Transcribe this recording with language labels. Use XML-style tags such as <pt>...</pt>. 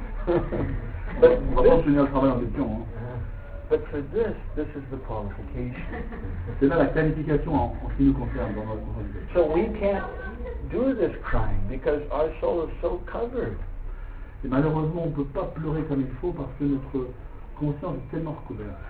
<fr>On va pas obtenir le travail en question.</fr> <en>But for this, this is the qualification.</en> <fr>C'est là la qualification en ce qui nous concerne dans notre vie.</fr> <en>So we can't do this crying because our soul is so covered.</en> <fr>Et malheureusement, on ne peut pas pleurer comme il faut parce que notre conscience est tellement recouverte.</fr>